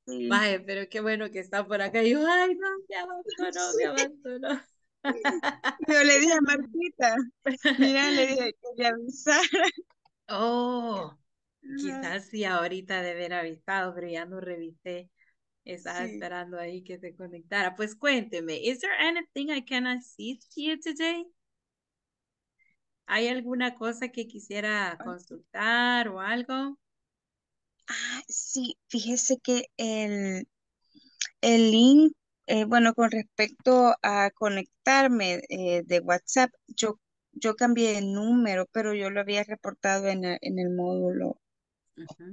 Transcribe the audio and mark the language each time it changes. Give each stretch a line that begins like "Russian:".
Spanish: Vaya, pero qué bueno que está por acá. Y yo, ay, no, me abandonó, me abandonó. Yo le dije a Martita, mira, le dije que le avisara. Oh, quizás sí ahorita de haber avisado, pero ya no revisé. Estaba esperando ahí que se conectara. Pues cuénteme,
English: is there anything I can assist you today?
Spanish: ¿Hay alguna cosa que quisiera consultar o algo? Ah, sí, fíjese que el link, bueno, con respecto a conectarme de WhatsApp, yo cambié de número, pero yo lo había reportado en el módulo, uh-huh.